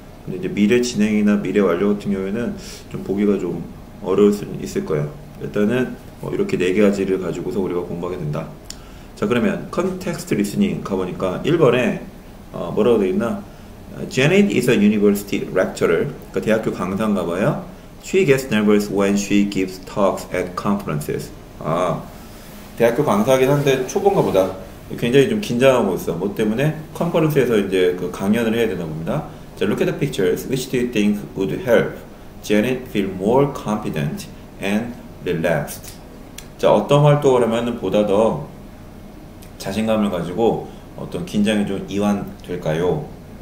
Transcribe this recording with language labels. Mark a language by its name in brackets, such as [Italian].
[Korean] 근데 이제 미래 진행이나 미래 완료 같은 경우에는 좀 보기가 좀 어려울 수 있을 거예요. 일단은 이렇게 네 가지를 가지고서 우리가 공부하게 된다. 자, 그러면 컨텍스트 리스닝 가보니까 1번에 뭐라고 돼 있나? [English] Janet is a university lecturer. [Korean] 그러니까 대학교 강사인가 봐요. [English] She gets nervous when she gives talks at conferences. [Korean] 아, 대학교 강사긴 한데 초보인가 보다. 굉장히 좀 긴장하고 있어. 뭐 때문에? 컨퍼런스에서 이제 그 강연을 해야 되나 봅니다. [English] 자, look at the pictures. Which do you think would help Janet feel more confident and relaxed? [Korean] 자, 어떤 활동을 하면 보다 더 자신감을 가지고 어떤 긴장이 좀 이완될까요?